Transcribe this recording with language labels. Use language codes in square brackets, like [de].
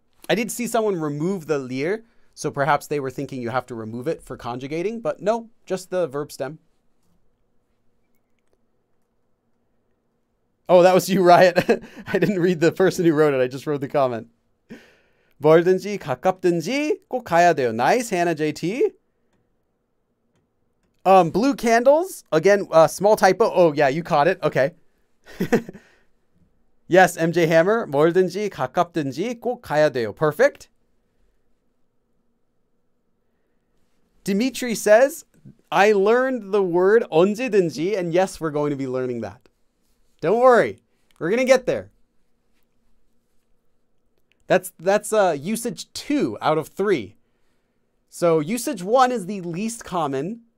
[en] I did see someone remove the 리儿, so perhaps they were thinking you have to remove it for conjugating, but no, just the verb stem. Oh, that was you, Riot. I didn't read the person who wrote it. I just wrote the comment. [ko] 멀든지 가깝든지 꼭 가야 돼요. [en] Nice, Hannah JT. Blue candles. Again, small typo. Oh, yeah, you caught it. Okay. Yes, MJ Hammer. [ko] 멀든지 가깝든지 꼭 가야 돼요. [en] Perfect. Dimitri says, I learned the word 언제든지, and yes, we're going to be learning that. Don't worry. We're going to get there. That's usage 2 out of 3. So usage 1 is the least common.